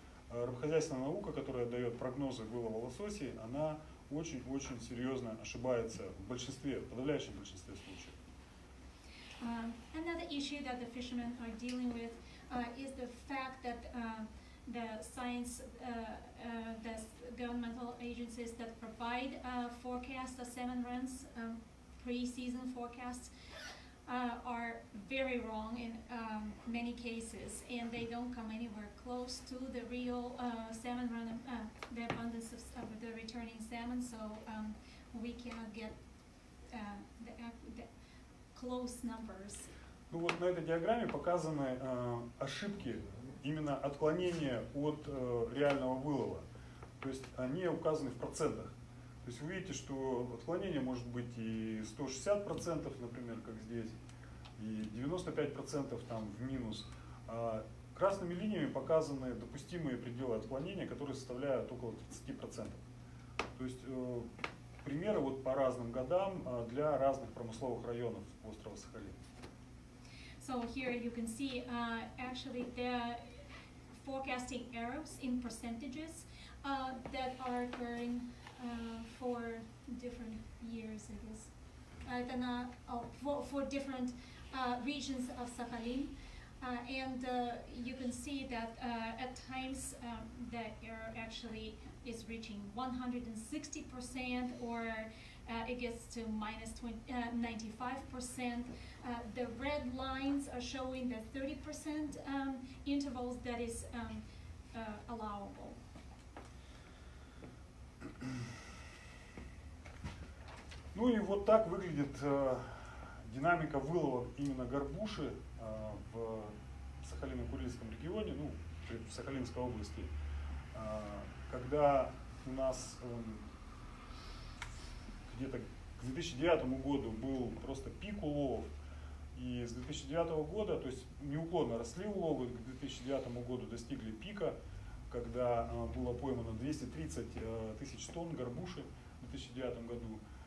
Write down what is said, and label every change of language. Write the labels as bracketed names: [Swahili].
[Russian] Рыбохозяйственная наука, которая дает прогнозы вылова лососей, она очень-очень серьезно ошибается в большинстве, в подавляющем большинстве случаев. [English] Another issue that the fishermen are dealing with is the fact that the science, the governmental agencies that provide forecasts, the salmon runs, pre-season forecasts, are very wrong in many cases, and they don't come anywhere close to the real salmon run, the abundance of the returning salmon, so we cannot get the close numbers. [Russian] Ну вот на этой диаграмме показаны ошибки, именно отклонения от реального вылова. То есть они указаны в процентах. То есть вы видите, что отклонение может быть и 160%, например, как здесь, и 95% там в минус. А красными линиями показаны допустимые пределы отклонения, которые составляют около 30%. То есть примеры вот по разным годам для разных промысловых районов острова Сахалин. [English] So here you can see actually the forecasting errors in percentages that are occurring for different years, I guess. For different regions of Sakhalin. You can see that at times the error actually is reaching 160% or it gets to minus 95%. The red lines are showing the 30% intervals that is allowable. [Russian] Ну и вот так выглядит динамика вылова именно горбуши в Сахалино-Курильском регионе, ну, в Сахалинской области, когда у нас где-то к 2009 году был просто пик уловов, и с 2009 года, то есть неуклонно росли уловы, к 2009 году достигли пика, когда было поймано 230 тысяч тонн горбуши в 2009 году.